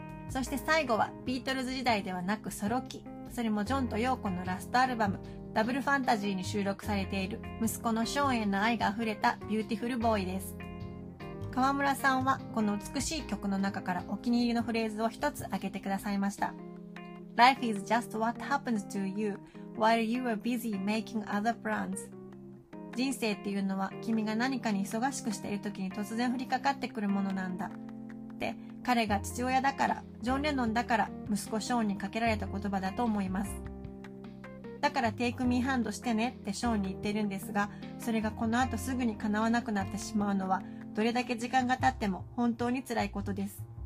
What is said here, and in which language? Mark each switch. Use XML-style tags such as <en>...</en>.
<ja>そして最後はビートルズ時代ではなくソロ期、それもジョンとヨーコのラストアルバムダブルファンタジーに収録されている息子のショーンへの愛が溢れたビューティフルボーイです。川村さんはこの美しい曲の中からお気に入りのフレーズを一つ挙げてくださいました。</ja> <en>Life is just what happens to you while you are busy making other plans.</en> <ja>人生っていうのは君が何かに忙しくしている時に突然降りかかってくるものなんだって、彼が父親だから、ジョン・レノンだから息子ショーンにかけられた言葉だと思います。だからテイクミーハンドしてねってショーンに言ってるんですが、それがこの後すぐに叶わなくなってしまうのは、どれだけ時間が経っても本当に辛いことです。</ja>